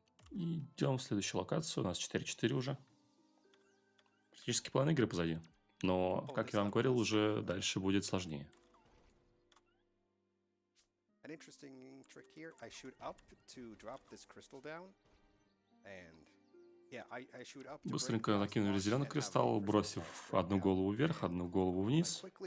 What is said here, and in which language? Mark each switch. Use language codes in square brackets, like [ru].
[ru] Идем в следующую локацию. У нас 4-4 уже. Практически половина игры позади. Но, как я вам говорил, уже дальше будет сложнее. [en] An interesting trick here. I shoot up to drop this crystal down. And yeah, I shoot up. [ru] Быстренько накинули зеленый кристалл, бросив одну голову вверх, одну голову вниз.